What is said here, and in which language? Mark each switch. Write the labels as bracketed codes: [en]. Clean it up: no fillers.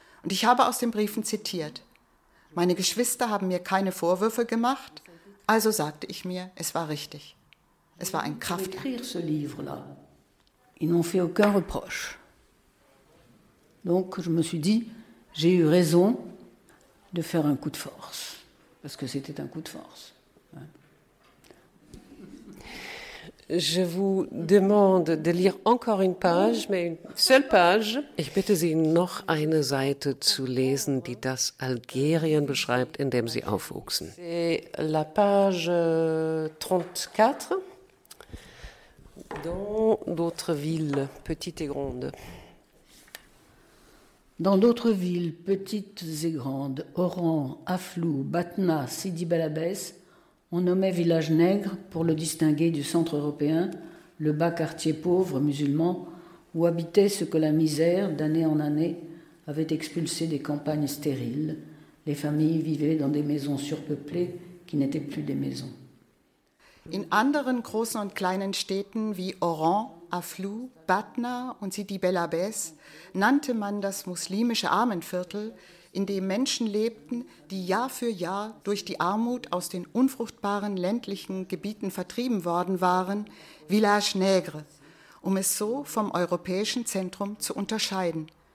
[de] Und ich habe aus den Briefen zitiert. Meine Geschwister haben mir keine Vorwürfe gemacht, also sagte ich mir, es war richtig. Es war ein Kraftakt. Ich habe dieses Buch geschrieben. Sie haben mir keinen Reproche gemacht. Also habe ich mir gesagt, ich habe die Recht, einen Coup de Force zu machen. Weil es ein Coup de Force war. [fr] Je vous demande de lire encore une page, mais une seule page. [de] Ich bitte Sie, noch eine Seite zu lesen, die das Algerien beschreibt, in dem Sie aufwuchsen. [fr] C'est la page 34, dans d'autres villes, petites et grandes. Dans d'autres villes, petites et grandes, Oran, Aflou, Batna, Sidi Belabès, on nommait village nègre pour le distinguer du centre européen, le bas quartier pauvre musulman où habitaient ce que la misère, d'année en année, avait expulsé des campagnes stériles. Les familles vivaient dans des maisons surpeuplées qui n'étaient plus des maisons. [de] In anderen großen und kleinen Städten wie Oran, Aflou, Batna und Sidi Belabès nannte man das muslimische Armenviertel, in dem Menschen lebten, die Jahr für Jahr durch die Armut aus den unfruchtbaren ländlichen Gebieten vertrieben worden waren, Village Nègre, um es so vom europäischen Zentrum zu unterscheiden.